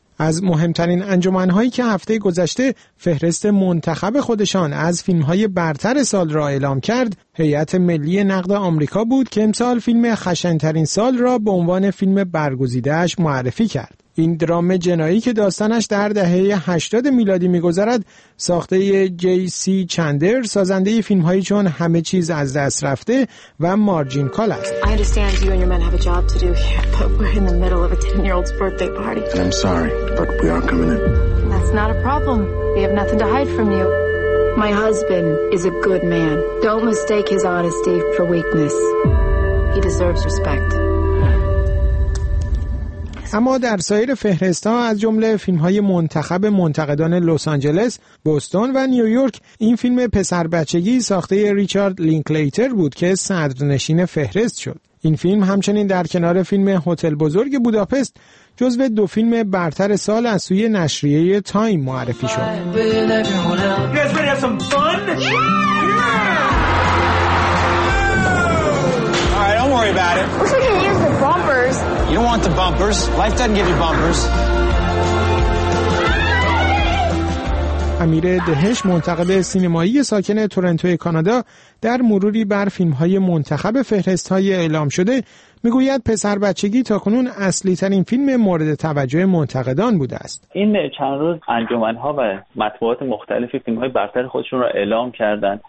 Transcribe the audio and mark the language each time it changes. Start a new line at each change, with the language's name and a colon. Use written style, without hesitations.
Persian: از مهمترین انجمنهایی که هفته گذشته فهرست منتخب خودشان از فیلمهای برتر سال را اعلام کرد، هیئت ملی نقد آمریکا بود که امسال فیلم خشنترین سال را به عنوان فیلم برگزیده‌اش معرفی کرد. این درام جنایی که داستانش در دهه 80 میلادی می‌گذرد، ساخته جی سی چندر، سازنده فیلم‌هایی چون همه چیز از دست رفته و مارجین کال است.
English: I understand you and your men have a job to do here, but we're in the middle of a 10-year-old's birthday party. I'm sorry, but we aren't coming in. That's not a problem. We have nothing to hide from you. My husband is a good man. Don't mistake his honesty for weakness. He deserves respect.
Persian: اما در سایر فهرست ها از جمله فیلم های منتخب منتقدان لس آنجلس، بوستون و نیویورک، این فیلم پسر بچگی ساخته ریچارد لینکلیتر بود که صدرنشین فهرست شد. این فیلم همچنین در کنار فیلم هتل بزرگ بوداپست جزو دو فیلم برتر سال از سوی نشریه تایم معرفی شد.
English: You don't want the bumpers. Life doesn't give you bumpers.
Persian: امیر دهش، منتقد سینمایی ساکن تورنتو کانادا، در مروری بر فیلم‌های منتخب فهرست‌های اعلام شده می‌گوید پسر بچگی تاکنون اصلی‌ترین فیلم مورد توجه منتقدان بوده است. این چند روز انجمن‌ها و مطبوعات مختلفی فیلم‌های برتر خودشون را اعلام کردند.